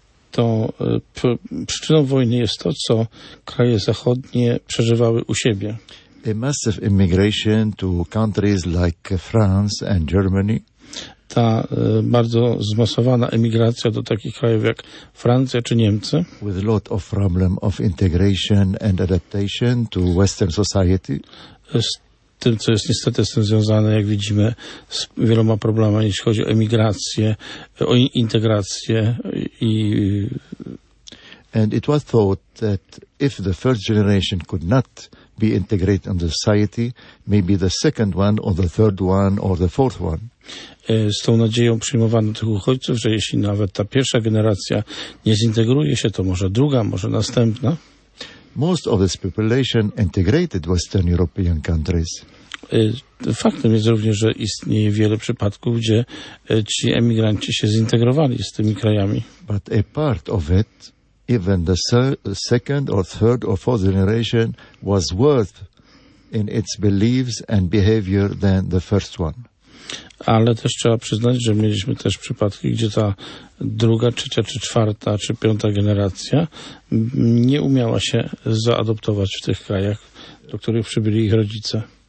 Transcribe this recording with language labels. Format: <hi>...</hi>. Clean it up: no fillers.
<pl>To przyczyną wojny jest to, co kraje zachodnie przeżywały u siebie.</pl> <en>A massive immigration to countries like France and Germany.</en> <pl>Ta bardzo zmasowana emigracja do takich krajów jak Francja czy Niemcy.</pl> <en>With a lot of problem of integration and adaptation to Western society.</en> <pl>Z tym, co jest niestety z tym związane, jak widzimy, z wieloma problemami, jeśli chodzi o emigrację, o integrację i...</pl> <en>And it was thought that if the first generation could not be integrated in the society, maybe the second one or the third one or the fourth one.</en> <pl>Z tą nadzieją przyjmowano tych uchodźców, że jeśli nawet ta pierwsza generacja nie zintegruje się, to może druga, może następna.</pl> <en>Most of this population integrated Western European countries.</en> <pl>Faktem jest również, że istnieje wiele przypadków, gdzie ci emigranci się zintegrowali z tymi krajami.</pl> <en>But a part of it, even the second or third or fourth generation, was worse in its beliefs and behavior than the first one.</en> <pl>Ale też trzeba przyznać, że mieliśmy też przypadki, gdzie ta druga, trzecia, czy czwarta, czy piąta generacja nie umiała się zaadoptować w tych krajach, do których przybyli ich rodzice.</pl>